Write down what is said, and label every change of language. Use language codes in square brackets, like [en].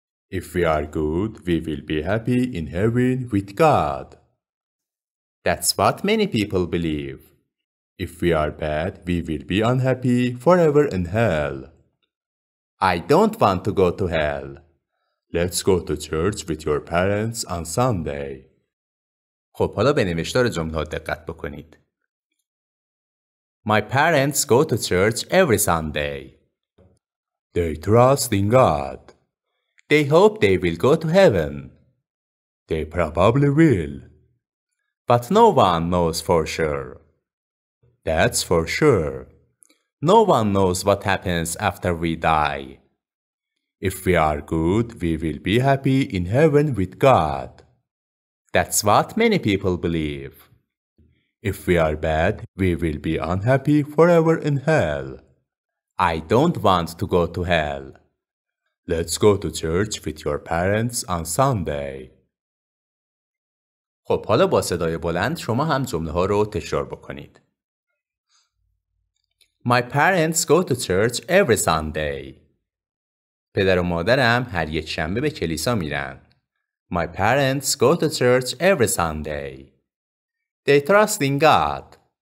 [en] If we are good, we will be happy in heaven with God. That's what many people believe. If we are bad, we will be unhappy forever in hell. I don't want to go to hell. Let's go to church with your parents on Sunday. [fa] خب حالا به نوشتار جمله دقت بکنید. [en] My parents go to church every Sunday. They trust in God. They hope they will go to heaven. They probably will. But no one knows for sure. That's for sure. No one knows what happens after we die. If we are good, we will be happy in heaven with God. That's what many people believe. If we are bad, we will be unhappy forever in hell. I don't want to go to hell. Let's go to church with your parents on Sunday. [fa] خب حالا با صدای بلند شما هم جمله ها رو تکرار بکنید. [en] My parents go to church every Sunday. [fa] پدر و مادرم هر یک شنبه به کلیسا میرن. [en] My parents go to church every Sunday. They trust in God.